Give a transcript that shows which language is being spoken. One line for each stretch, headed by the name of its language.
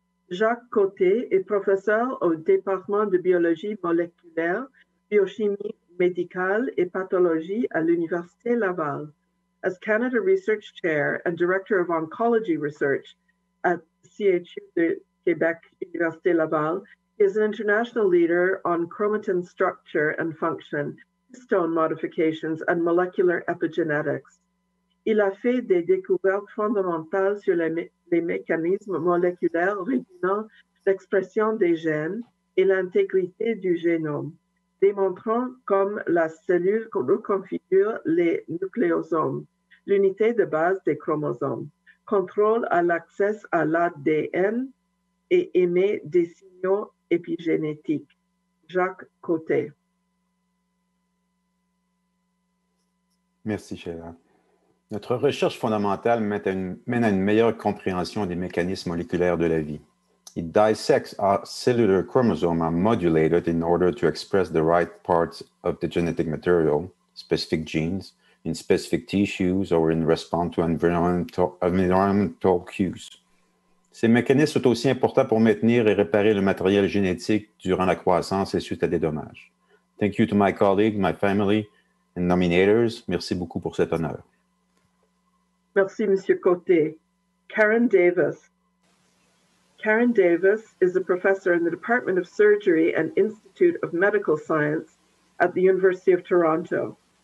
French: Jacques Côté est professeur au département de biologie moléculaire, biochimie médicale et pathologie à l'Université Laval.
English: As Canada Research Chair and Director of Oncology Research at CHU de Québec, Université Laval, he is an international leader on chromatin structure and function, histone modifications, and molecular epigenetics.
French: Il a fait des découvertes fondamentales sur les mécanismes moléculaires régulant l'expression des gènes et l'intégrité du génome, démontrant comme la cellule reconfigure les nucléosomes, l'unité de base des chromosomes, contrôle à l'accès à l'ADN et émet des signaux épigénétiques. Jacques Côté. Merci, Sheila. Notre recherche fondamentale mène à une meilleure compréhension des mécanismes moléculaires de la vie.
English: It dissects our cellular chromosome and modulates it in order to express the right parts of the genetic material, specific genes, in specific tissues or in response to environmental cues.
French: Ces mécanismes sont aussi importants pour maintenir et réparer le matériel génétique durant la croissance et suite à des dommages.
English: Thank you to my colleague, my family, and nominators.
French: Merci beaucoup pour cet honneur. Merci, Monsieur Côté. Karen Davis.
English: Karen Davis is a professor in the Department of Surgery and Institute of Medical Science at the University of Toronto.